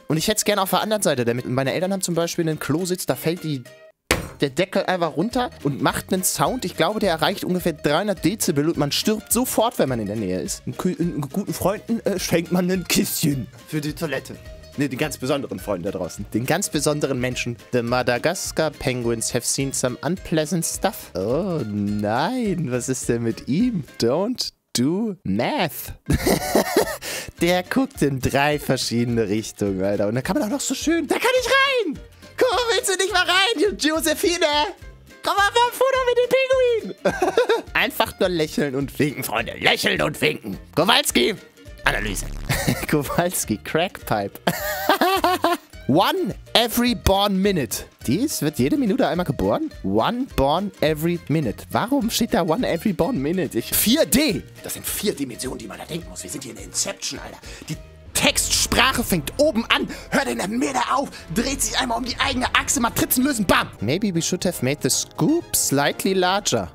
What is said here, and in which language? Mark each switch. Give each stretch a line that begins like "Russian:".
German: Und ich hätte es gerne auf der anderen Seite, damit meine Eltern haben zum Beispiel einen Klositz, da fällt der Deckel einfach runter und macht einen Sound. Ich glaube, der erreicht ungefähr 300 Dezibel und man stirbt sofort, wenn man in der Nähe ist. Guten Freunden schenkt man ein Kistchen für die Toilette. Ne, den ganz besonderen Freunden da draußen. Den ganz besonderen Menschen.
English: The Madagascar Penguins have seen some unpleasant stuff.
German: Oh nein, was ist denn mit ihm?
English: Don't do math.
German: Der guckt in drei verschiedene Richtungen, Alter. Und da kann man auch noch so schön... Da kann ich rein! Komm, willst du nicht mal rein, Josephine? Komm mal vom Foto mit dem Pinguin. Einfach nur lächeln und winken, Freunde. Lächeln und winken. Kowalski! Analyse. Kowalski, Crackpipe.
English: One every born minute.
German: Dies wird jede Minute einmal geboren?
English: One born every minute.
German: Warum steht da
English: one every born minute? 4D.
German: Das sind 4 Dimensionen, die man da denken muss. Wir sind hier in der Inception, Alter. Die Textsprache fängt oben an, hört in der Mitte auf, dreht sich einmal um die eigene Achse, Matrizen lösen, bam.
English: Maybe we should have made the scoop slightly larger.